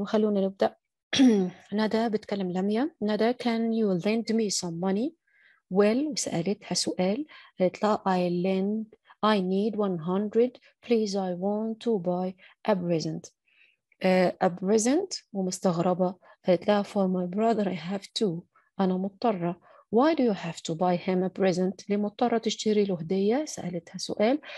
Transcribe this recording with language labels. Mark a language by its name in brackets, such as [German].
[Arabic] وخلونا نبدأ. ندى بتكلم لميا. ندى، [English] can you lend me some money? well، [Arabic] وسألتها سؤال، قالت لها [English] I need 100 please I want to buy a present. A present، [Arabic] ومستغربة، قالت لها [English] for my brother I have to، [Arabic] أنا مضطرة. [English] Why do you have to buy him a present? [Arabic] ليه مضطرة تشتري له هدية؟ سألتها سؤال.